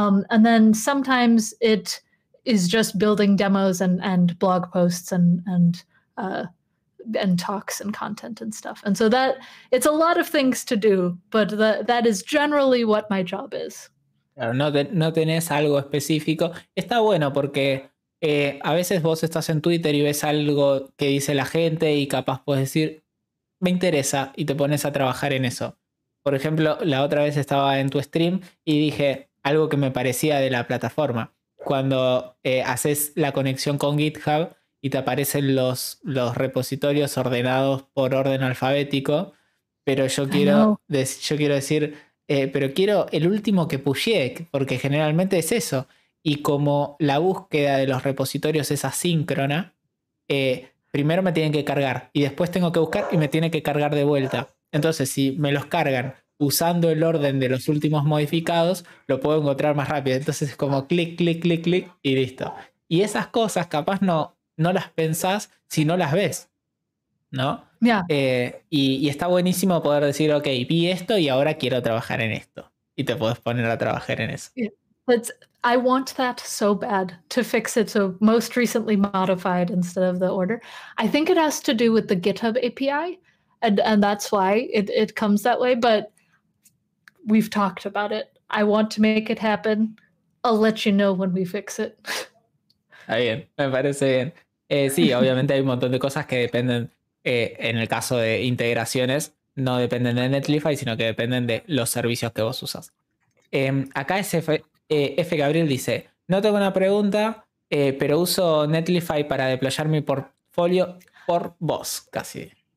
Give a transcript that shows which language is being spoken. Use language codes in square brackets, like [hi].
[en] And then sometimes it is just building demos and blog posts and talks and content and stuff. And so that it's a lot of things to do, but that is generally what my job is. [es] Claro, no tenés algo específico. Está bueno porque a veces vos estás en Twitter y ves algo que dice la gente y capaz puedes decir, me interesa, y te pones a trabajar en eso. Por ejemplo, la otra vez estaba en tu stream y dije algo que me parecía de la plataforma. Cuando haces la conexión con GitHub y te aparecen los repositorios ordenados por orden alfabético, pero quiero el último que pushé, porque generalmente es eso. Y como la búsqueda de los repositorios es asíncrona, primero me tienen que cargar y después tengo que buscar y me tienen que cargar de vuelta. Entonces, si me los cargan usando el orden de los últimos modificados, lo puedo encontrar más rápido. Entonces es como clic, clic, clic, clic y listo. Y esas cosas capaz no las pensás si no las ves, ¿no? [en] Yeah. [es] Y está buenísimo poder decir, ok, vi esto y ahora quiero trabajar en esto. Y te puedes poner a trabajar en eso. [en] I want that so bad to fix it. So most recently modified instead of the order. I think it has to do with the GitHub API. And that's why it comes that way. But we've talked about it. I want to make it happen. I'll let you know when we fix it. [es] Está bien, me parece bien. Sí, obviamente hay un montón de cosas que dependen, en el caso de integraciones, no dependen de Netlify, sino que dependen de los servicios que vos usas. Acá F. Gabriel dice, No tengo una pregunta, pero uso Netlify para deployar mi portfolio por vos, casi.